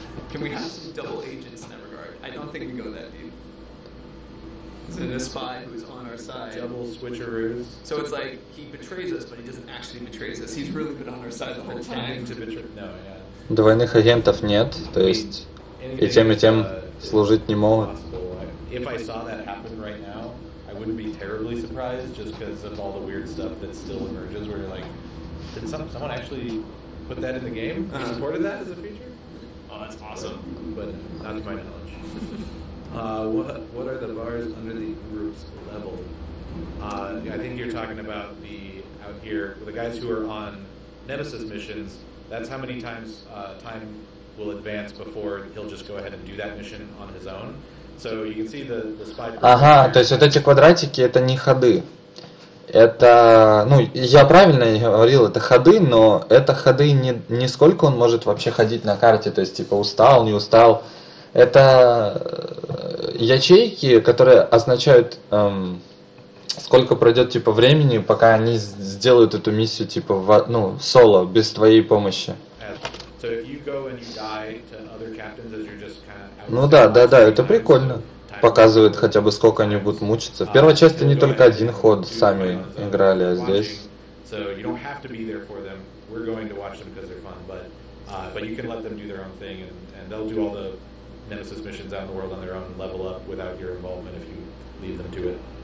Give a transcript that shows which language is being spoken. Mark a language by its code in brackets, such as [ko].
[en] Can we have some double agents in that regard? I don't think we go that deep. Is it a spy who's on our side? Double switcheroos. So it's like he betrays us, but he doesn't actually betray us. He's really been on our side the whole time. To betray? No, yeah. [ru] Двойных агентов нет, то есть и тем служить не могут. [en] If I saw that happen right now, I wouldn't be terribly surprised just because of all the weird stuff that still emerges where you're like, did someone actually put that in the game? You supported that as a feature? Oh, that's awesome. But not to my knowledge. what are the bars under the group's level? I think you're talking about the out here, the guys who are on Nemesis missions. That's how many times time will advance before he'll just go ahead and do that mission on his own. So you can see the spy. [ru] Ага, то есть вот эти квадратики это не ходы. Это, ну, я правильно говорил, это ходы, но это ходы не сколько он может вообще ходить на карте, то есть типа устал, не устал. Это ячейки, которые означают сколько пройдет типа времени, пока они сделают эту миссию типа в, ну, соло без твоей помощи. [en] As So if you go and you die to other captains as you're just kind of... [ru] Ну да, да, да, это прикольно. Показывает хотя бы сколько они будут мучиться. В первой части не только один ход сами играли, а здесь... [en] So you don't have to be there for them. We're going to watch them because they're fun, but you can let them do their own thing, and they'll do all the Nemesis missions out in the world on their own, level up without your involvement if you leave them to it.